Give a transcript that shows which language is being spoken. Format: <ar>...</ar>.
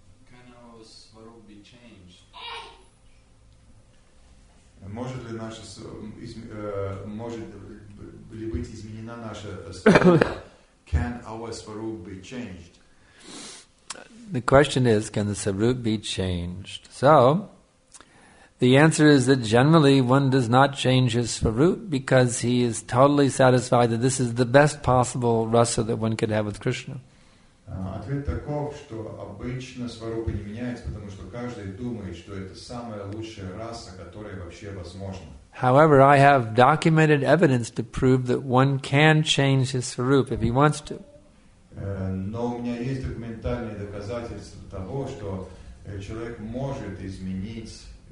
<en>Can our swarup be changed?</en> <ru>Может ли наша может ли быть изменена наша свару?</ru> <en>Can our swarup be changed? The question is, can the swarup be changed? So, the answer is that generally one does not change his swarup because he is totally satisfied that this is the best possible rasa that one could have with Krishna.</en> <ru>Ответ таков, что обычно сварупа не меняется, потому что каждый думает, что это самая лучшая раса, которая вообще возможна.</ru> <en>However, I have documented evidence to prove that one can change his swarup if he wants to.</en> <ru>Но у меня есть документальные доказательства того, что человек может изменить.</ru>